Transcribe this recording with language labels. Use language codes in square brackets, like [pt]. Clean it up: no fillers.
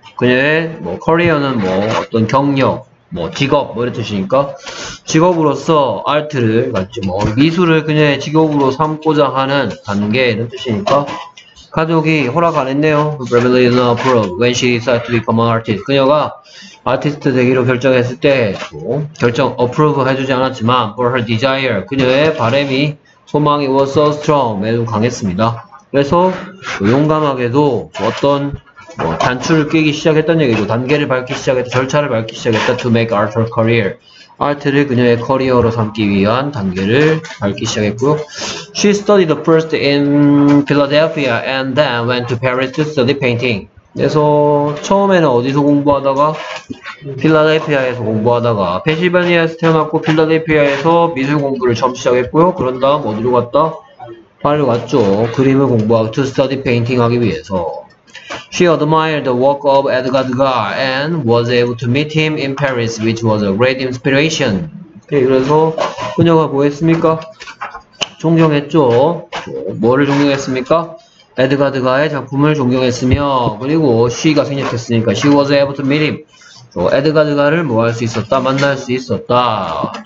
[ko] 그녀의 뭐 career는 뭐 어떤 경력, 뭐 직업 뭐 이런 뜻이니까, 직업으로서 아트를, 맞지, 뭐 미술을 그녀의 직업으로 삼고자 하는 단계 이런 뜻이니까. 가족이 허락 안 했네요. [en] Family did not approve when she decided to become an artist. [ko] 그녀가 아티스트 되기로 결정했을 때 뭐 결정 approve 해주지 않았지만, [en] for her desire, [ko] 그녀의 바람이, 소망이 [en] was so strong, [ko] 매우 강했습니다. 그래서 용감하게도 어떤 뭐 단추를 끼기 시작했던 얘기죠. 단계를 밟기 시작했다, 절차를 밟기 시작했다, [en] to make art her career. [ko] 아트를 그녀의 커리어로 삼기 위한 단계를 밟기 시작했고요. [en] She studied first in Philadelphia and then went to Paris to study painting. [ko] 그래서 처음에는 어디서 공부하다가, 필라델피아에서 공부하다가, 펜실베니아에서 태어났고 필라델피아에서 미술 공부를 처음 시작했고요. 그런 다음 어디로 갔다? 파리로 갔죠. 그림을 공부하고 [en] to study painting [ko] 하기 위해서. [en] She admired the work of Edgar Degas and was able to meet him in Paris, which was a great inspiration. [ko] 네, 그래서 그녀가 뭐 했습니까? 존경했죠. 뭐를 존경했습니까? 에드가 드가의 작품을 존경했으며, 그리고 she가 생략했으니까 [en] she was able to meet him. [ko] 에드가 드가를 뭐 할 수 있었다? 만날 수 있었다.